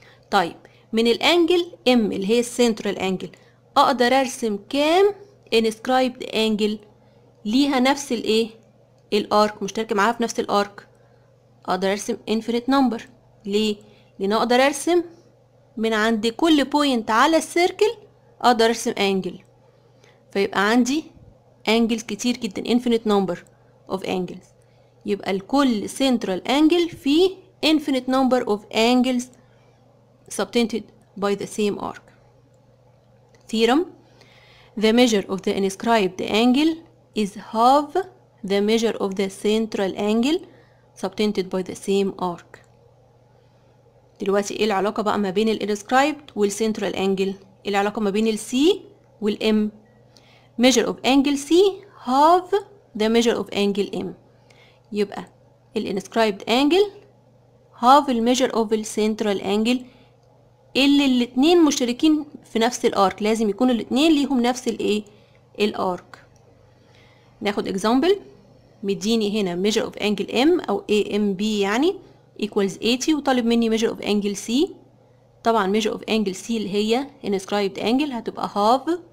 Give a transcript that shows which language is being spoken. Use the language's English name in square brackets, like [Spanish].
[Arabic] طيب من الانجل ام اللي هي السنترال انجل اقدر ارسم كام انسكرايبد انجل ليها نفس الايه الارك مشتركه معاها في نفس الارك اقدر ارسم انفينيت نمبر ليه لان اقدر ارسم من عند كل بوينت على السيركل اقدر ارسم انجل فيبقى عندي انجلز كتير جدا انفينيت نمبر اوف انجلز يبقى الكل سنترال انجل فيه [English] infinite number of angles subtended by the same arc. Theorem: the measure of the inscribed angle is half the measure of the central angle subtended by the same arc. [Arabic] دلوقتي ايه العلاقة بقى ما بين ال inscribed وال central angle؟ ايه العلاقة ما بين ال C وال M؟ [English] measure of angle C half the measure of angle M. [Arabic] يبقى ال [English] inscribed angle half the measure of the central angle [Arabic] اللي الاثنين مشتركين في نفس الارك لازم يكون الاثنين ليهم نفس الايه الارك ناخد اكزامبل مديني هنا [English] measure of angle M [Arabic] او AMB يعني equals 80 وطالب مني [English] measure of angle C [Arabic] طبعا measure of angle C اللي هي inscribed angle هتبقى half